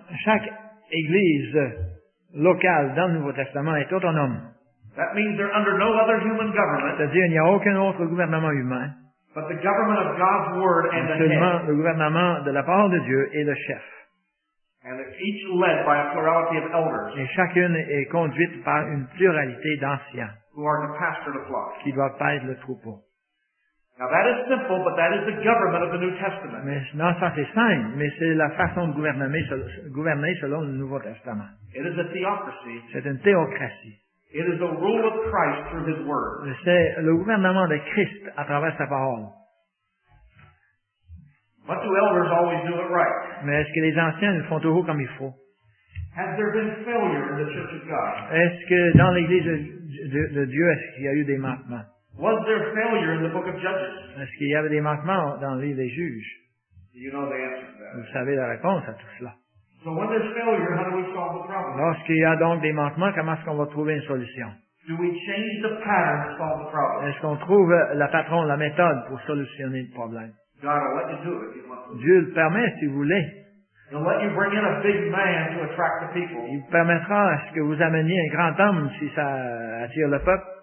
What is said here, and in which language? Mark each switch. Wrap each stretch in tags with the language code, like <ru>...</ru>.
<fr>Chaque église locale dans le Nouveau Testament est autonome.</fr> <en>That means they're under no other human government.</en> <fr>C'est-à-dire qu'il n'y a aucun autre gouvernement humain.</fr> <en>But the government of God's word and the head.</en> <fr>Seulement le gouvernement de la parole de Dieu est le chef.</fr> <en>And each led by a plurality of elders.</en> <fr>Et chacune est conduite par une pluralité d'anciens.</fr> <en>Who are to pastor the flock.</en> <fr>Qui doivent paître le troupeau.</fr> <en>Now that is simple, but that is the government of the New Testament.</en> <fr>Mais non, ça c'est simple, mais c'est la façon de gouverner selon le Nouveau Testament.</fr> <en>It is a theocracy.</en> <fr>C'est une théocratie.</fr> <en>It is the rule of Christ through His Word.</en> <fr>C'est le gouvernement de Christ à travers sa parole.</fr> <en>But do elders always do it right?</en> <fr>Mais est-ce que les anciens le font toujours comme il faut?</fr> <en>Has there been failure in the Church of God?</en> <fr>Est-ce que dans l'Église de Dieu, est-ce qu'il y a eu des manquements?</fr> <en>Was there failure in the book of Judges?</en> <fr>Est-ce qu'il y avait des manquements dans le livre des juges?</fr> <en>You know the answer to that.</en> <fr>Vous savez la réponse à tout cela.</fr> <en>So when there's failure, how do we solve the problem?</en> <fr>Lorsqu'il y a donc des manquements, comment est-ce qu'on va trouver une solution?</fr> <en>Do we change the pattern to solve the problem?</en> <fr>Est-ce qu'on trouve la méthode pour solutionner le problème?</fr> <en>God will let you do it if you want to.</en> <fr>Dieu le permet si vous voulez.</fr> <en>You'll let you bring in a big man to attract the people.</en> <fr>Il permettra à ce que vous ameniez un grand homme si ça attire le peuple.</fr>